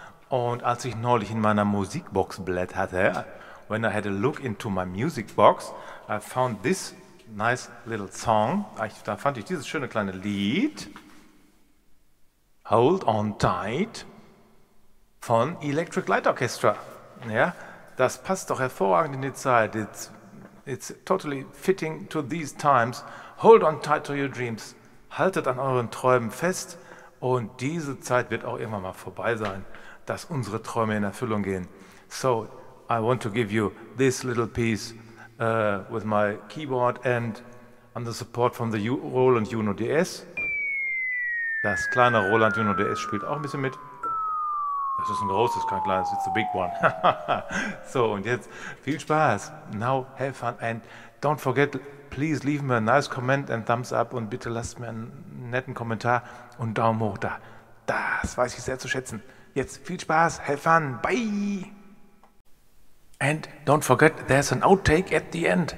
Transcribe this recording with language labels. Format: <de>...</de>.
<de>Und als ich neulich in meiner Musikbox blätterte,</de> <en>when I had a look into my music box, I found this nice little song.</en> <de>Da fand ich dieses schöne kleine Lied, Hold On Tight, von Electric Light Orchestra, ja. Das passt doch hervorragend in die Zeit.</de> <en>It's totally fitting to these times. Hold on tight to your dreams.</en> <de>Haltet an euren Träumen fest. Und diese Zeit wird auch irgendwann mal vorbei sein, dass unsere Träume in Erfüllung gehen.</de> <en>So, I want to give you this little piece with my keyboard and under support from the Roland Juno DS.</en> <de>Das kleine Roland Juno DS spielt auch ein bisschen mit. Das ist ein großes, kein kleines,</de> <en>it's a big one.</en> <de>So, und jetzt viel Spaß.</de> <en>Now have fun and don't forget, please leave me a nice comment and thumbs up</en> <de>und bitte lasst mir einen netten Kommentar und Daumen hoch da. Das weiß ich sehr zu schätzen. Jetzt viel Spaß,</de> <en>have fun, bye. And don't forget, there's an outtake at the end.</en>